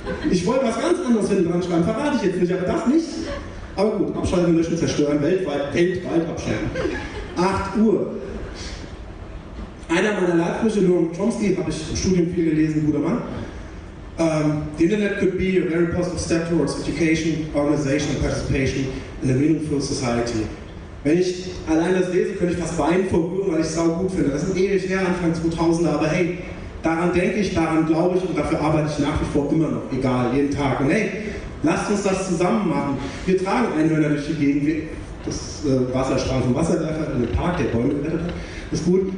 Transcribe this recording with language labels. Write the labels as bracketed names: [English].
[German] Ich wollte was ganz anderes hinten dran schreiben. Verrate ich jetzt nicht, aber das nicht. Aber gut, abschalten, löschen, zerstören, weltweit abschalten. 8 Uhr. Einer meiner Leitbrüche, Noam Chomsky, habe ich im Studium viel gelesen, guter Mann. [English] The Internet could be a very positive step towards education, organization, participation in a meaningful society. [German] Wenn ich allein das lese, könnte ich fast weinen vor Rühren, weil ich es saugut finde. Das ist ewig her, Anfang 2000er, aber hey, daran denke ich, daran glaube ich und dafür arbeite ich nach wie vor immer noch, egal, jeden Tag. Und hey, lasst uns das zusammen machen. Wir tragen Einhörner durch die Gegend. Das Wasserstrahl vom Wasserwerfer in den Park, der Bäume gerettet hat. Das ist gut.